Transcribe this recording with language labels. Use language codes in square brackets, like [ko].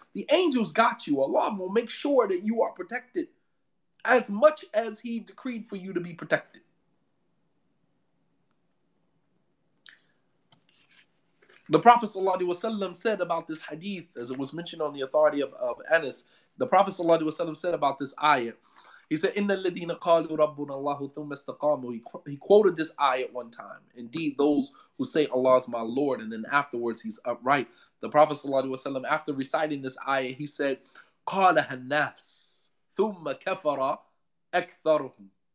[en] The angels got you. Allah will make sure that you are protected as much as He decreed for you to be protected. The Prophet ﷺ said about this hadith, as it was mentioned on the authority of Anas, the Prophet ﷺ said about this ayah. He said, [ar] إِنَّ الَّذِينَ قَالُوا رَبُّنَ اللَّهُ ثُمَّ اسْتَقَامُوا. [en] He quoted this ayah one time. Indeed, those who say Allah is my Lord, and then afterwards he's upright. The Prophet ﷺ, after reciting this ayah, he said, [ar] قَالَهَا النَّاسُ ثُمَّ كَفَرَ أَكْثَرُهُمْ.